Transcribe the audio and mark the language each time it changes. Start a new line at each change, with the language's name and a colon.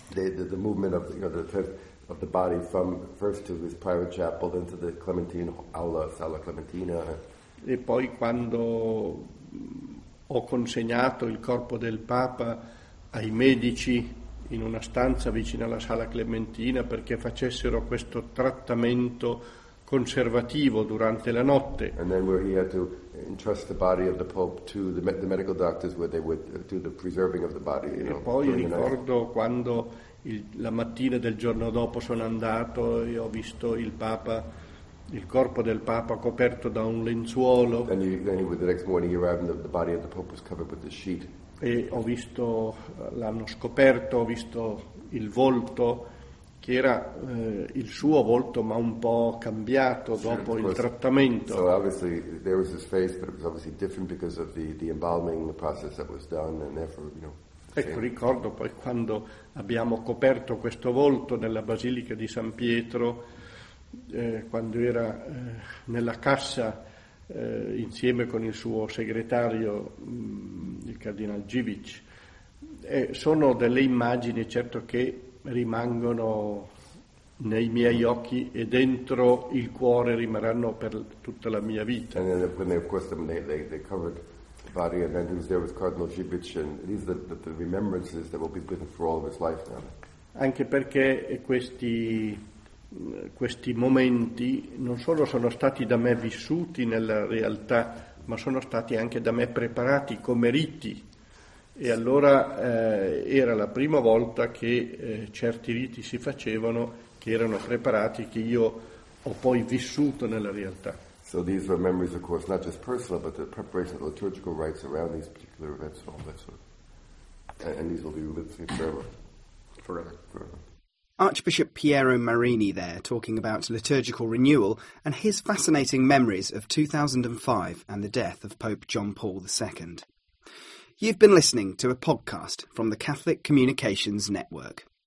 English: The movement of the body from first to his private chapel, then to the Clementine aula, sala Clementina.
Italian: E poi quando ho consegnato il corpo del Papa ai medici in una stanza vicino alla sala Clementina perché facessero questo trattamento conservativo durante la notte.
English: And then where he had to entrust the body of the Pope to the medical doctors where they would do the preserving of the body.
Italian: E poi ricordo quando la mattina del giorno dopo sono andato e ho visto il corpo del Papa coperto da un lenzuolo.
English: And the next morning he arrived and the body of the Pope was covered with a sheet.
Italian: E ho visto il volto, che era il suo volto, ma un po' cambiato dopo il trattamento.
English: So obviously there was his face, but it was obviously different because of the embalming process that was done, and therefore, you know.
Italian: Ecco, ricordo poi quando abbiamo coperto questo volto nella Basilica di San Pietro, quando era nella cassa insieme con il suo segretario, il Cardinal Givic. Sono delle immagini, certo, che rimangono nei miei occhi e dentro il cuore rimarranno per tutta la mia vita.
English: And then when they covered the body, and then he was there with Cardinal Gibic, and these are the remembrances that will be with him for all of his life now.
Italian: Anche perché questi momenti non solo sono stati da me vissuti nella realtà, ma sono stati anche da me preparati come riti. E allora era la prima volta che certi riti si facevano, che erano preparati, che io ho poi vissuto nella realtà.
English: So these were memories, of course, not just personal, but the preparation of the liturgical rites around these particular events and all that sort. And these will be with me forever. Forever. Forever. Archbishop Piero Marini there, talking about liturgical renewal and his fascinating memories of 2005 and the death of Pope John Paul II. You've been listening to a podcast from the Catholic Communications Network.